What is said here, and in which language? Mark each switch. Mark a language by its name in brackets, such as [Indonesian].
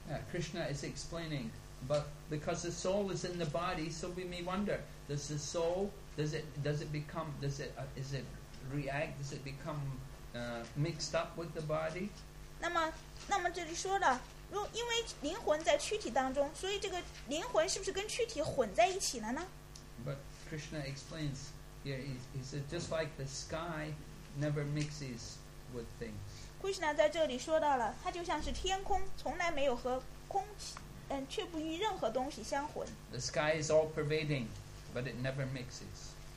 [English] Krishna is explaining, but because the soul is in the body, so we may wonder, does the soul, does it become mixed up with the body? [Chinese] 那么这里说的 因为灵魂在躯体当中，所以这个灵魂是不是跟躯体混在一起了呢？ [English] But Krishna explains here, he said, just like the sky never mixes with things. [Chinese] Krishna 在这里说到了，他就像是天空，从来没有和空气，却不与任何东西相混。 [English] The sky is all pervading, but it never mixes.